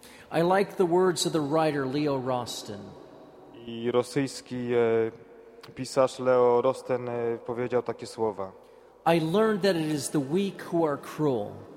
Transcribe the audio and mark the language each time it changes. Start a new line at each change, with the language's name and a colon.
English: I like the words of the writer Leo Rosten.
Polish: I rosyjski pisarz Leo Rosten powiedział takie słowa.
English: I learned that it is the weak who are cruel.